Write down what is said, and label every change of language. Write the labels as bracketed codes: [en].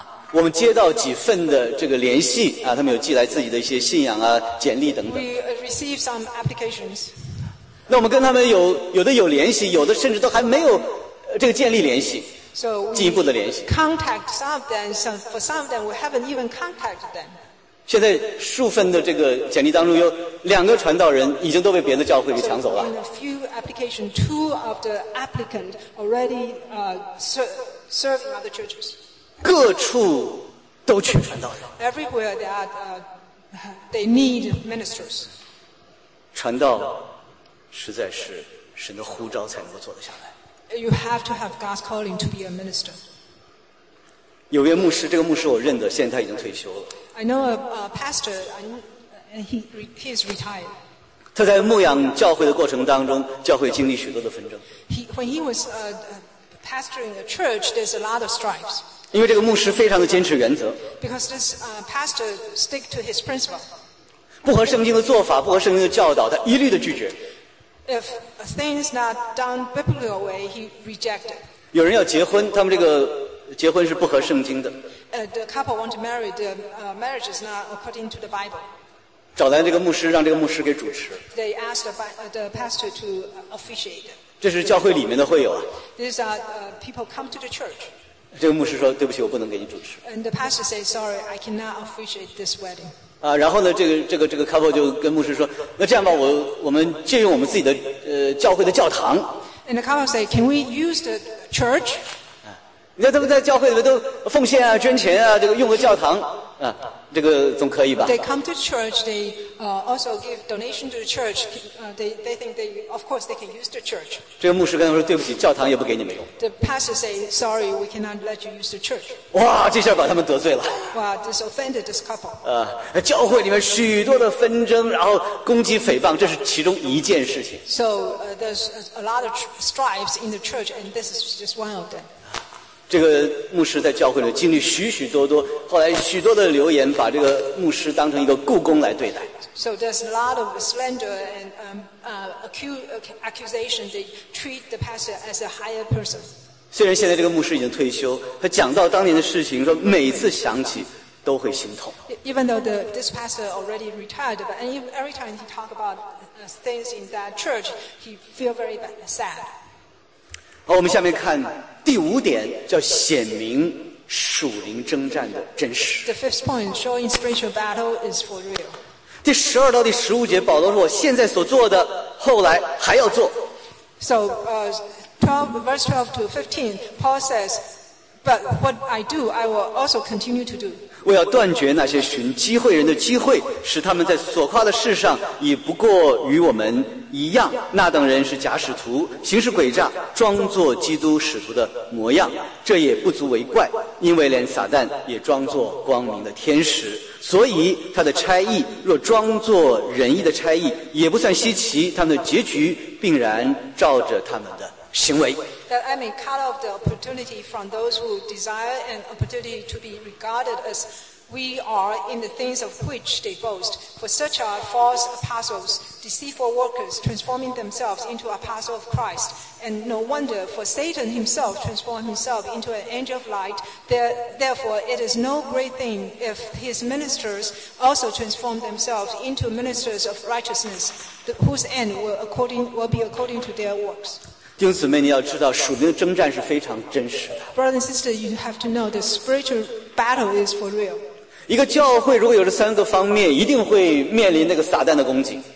[zh] 我们接到几份的这个联系啊，他们有寄来自己的一些信仰啊、简历等等。 [en] We received some applications. [zh] 那我们跟他们有的有联系，有的甚至都还没有这个建立联系，进一步的联系。 [en] Contact some of them, for some of them we haven't even contacted them. [zh] 现在数份的这个简历当中有两个传道人已经都被别的教会给抢走了。 [en] In a few applications, two of the applicants already serve in other churches. [zh] 各处都缺传道人。 [en] Everywhere they are, they need ministers. [zh] 传道。实在是神的呼召才能够做得下来。 [en] You have to have God's calling to be a minister. [zh] 有位牧师，这个牧师我认得，现在他已经退休了。 [en] I know a pastor, and he is retired. [zh] 他在牧养教会的过程当中，教会经历许多的纷争。 [en] When he was pastoring a church, there's a lot of strifes. [zh] 因为这个牧师非常的坚持原则。 [en] Because this pastor stick to his principle. [zh] 不合圣经的做法，不合圣经的教导，他一律的拒绝。 [en] If a thing is not done biblical way, he reject it. [zh] 有人要结婚，他们这个结婚是不合圣经的。 [en] The couple want to marry. The marriage is not according to the Bible. [zh] 找来这个牧师，让这个牧师给主持。 [en] They asked the pastor to officiate. [zh] 这是教会里面的会友啊。 [en] These are people come to the church. [zh] 这个牧师说：“对不起，我不能给你主持。” [en] And the pastor says, "Sorry, I cannot officiate this wedding." [zh] 啊，然后呢，这个 couple 就跟牧师说：“那这样吧，我们借用我们自己的教会的教堂。” [en] And the couple say, "Can we use the church?" [zh] 你看他们在教会里面都奉献啊、捐钱啊，这个用个教堂啊，这个总可以吧 [en] ？They come to church. They also give donation to the church. They think they of course they can use the church. [zh] 这个牧师跟他说：“对不起，教堂也不给你们用。” [en] The pastor say, "Sorry, we cannot let you use the church." [zh] 哇，这下把他们得罪了。 [en] Wow, this offended this couple. [zh] 教会里面许多的纷争，然后攻击诽谤，这是其中一件事情。 [en] So there's a lot of strifes in the church, and this is just one of them. [zh] 这个牧师在教会里经历许许多多，后来许多的流言把这个牧师当成一个故宫来对待。 [en] So there's a lot of slander and accusation. They treat the pastor as a higher person. [zh] 虽然现在这个牧师已经退休，他讲到当年的事情，说每次想起都会心痛。 [en] Even though this pastor already retired, but every time he talk about things in that church, he feel very sad. [zh] 好，我们下面看。第五点叫显明属灵征战的真实。 [en] The fifth point, showing spiritual battle is for real. [zh] 第十二到第十五节，保罗说：“我现在所做的，后来还要做。” [en] So, verse 12 to 15, Paul says, "But what I do, I will also continue to do." [zh] 我要断绝那些寻机会人的机会，使他们在所夸的事上已不过与我们。一样，那等人是假使徒，行事诡诈，装作基督使徒的模样，这也不足为怪，因为连撒旦也装作光明的天使，所以他的差役若装作仁义的差役，也不算稀奇，他们的结局必然照着他们的行为。 [en] That I may cut off the opportunity from those who desire an opportunity to be regarded as we are in the things of which they boast. For such are false apostles, deceitful workers, transforming themselves into apostles of Christ. And no wonder, for Satan himself transformed himself into an angel of light. Therefore, it is no great thing if his ministers also transform themselves into ministers of righteousness, whose end will be according to their works. [zh] 弟兄姊妹，你要知道，属灵的征战是非常真实的。 [en] Brother and sister, you have to know the spiritual battle is for real. [zh] 一个教会如果有这三个方面，一定会面临那个撒旦的攻击。